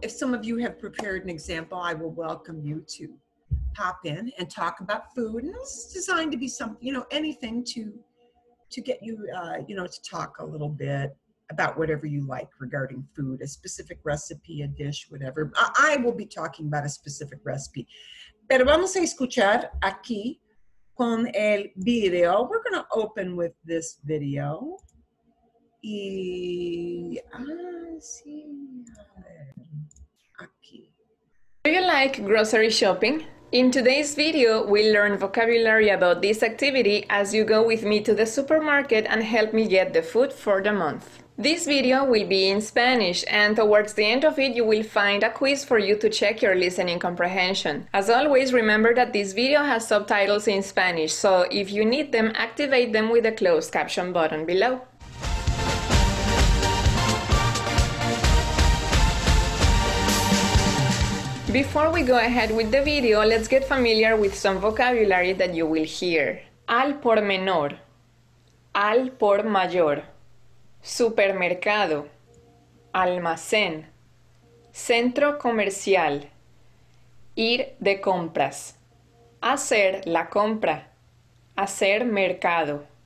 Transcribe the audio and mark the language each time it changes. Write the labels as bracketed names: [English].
[English] If some of you have prepared an example, I will welcome you to pop in and talk about food. And this is designed to be something, anything to get you, to talk a little bit about whatever you like regarding food, a specific recipe, a dish, whatever. I will be talking about a specific recipe. [Spanish] Pero vamos a escuchar aquí con el video. [English] We're going to open with this video. [Spanish] Y sí, a ver, aquí. [English] Do you like grocery shopping? In today's video, we'll learn vocabulary about this activity as you go with me to the supermarket and help me get the food for the month. This video will be in Spanish, and towards the end of it, you will find a quiz for you to check your listening comprehension. As always, remember that this video has subtitles in Spanish, so if you need them, activate them with the closed caption button below. Before we go ahead with the video, let's get familiar with some vocabulary that you will hear. [Spanish] Al por menor, al por mayor, supermercado, almacén, centro comercial, ir de compras, hacer la compra, hacer mercado,